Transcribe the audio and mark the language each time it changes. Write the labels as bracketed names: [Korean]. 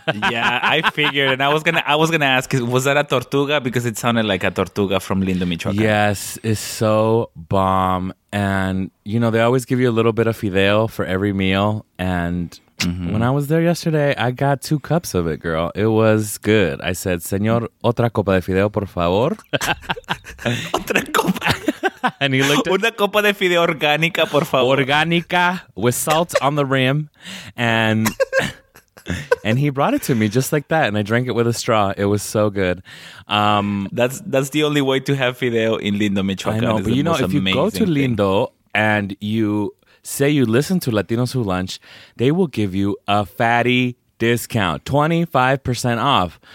[English] Yeah, I figured. And I was gonna ask, was that a tortuga? Because it sounded like a tortuga from Lindo Michoacán. Yes, it's so bomb. And, you know, they always give you a little bit of fideo for every meal. And when I was there yesterday, I got 2 cups of it, girl. It was good. I said, [Spanish] Señor, otra copa de fideo, por favor. Otra copa. [English] And he looked at [Spanish] una copa de fideo orgánica, por favor. [English] Orgánica with salt on the rim. And and he brought it to me just like that. And I drank it with a straw. It was so good. That's the only way to have fideo in Lindo, Michoacán. I know, but you know, if you go to Lindo and you say you listen to Latinos Who Lunch, they will give you a fatty discount, 25% off.